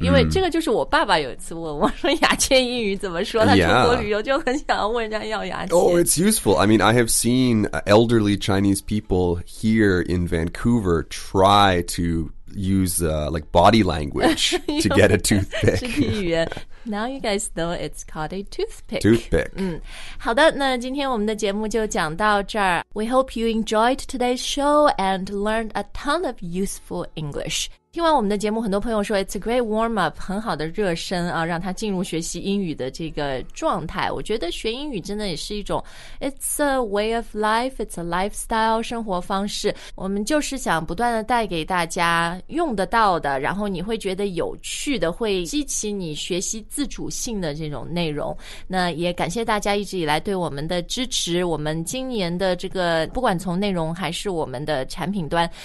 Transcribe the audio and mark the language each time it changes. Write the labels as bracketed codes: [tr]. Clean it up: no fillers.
[zh] 因为这个就是我爸爸有一次问我说牙签英语怎么说他出国旅游就很想问人家要牙签。 [en] Oh, it's useful. I mean, I have seen elderly Chinese people here in Vancouver try to use like body language to get a toothpick. Now you guys know it's called a toothpick. Toothpick. [zh] 好的，那今天我们的节目就讲到这儿。 [en] We hope you enjoyed today's show and learned a ton of useful English. [zh] 听完我们的节目，很多朋友说 [en] it's a great warm up, [zh] 很好的热身啊，让他进入学习英语的这个状态。我觉得学英语真的也是一种 [en] it's a way of life, it's a lifestyle, [zh] 生活方式。我们就是想不断的带给大家用得到的，然后你会觉得有趣的，会激起你学习自主性的这种内容。那也感谢大家一直以来对我们的支持，我们今年的这个不管从内容还是我们的产品端，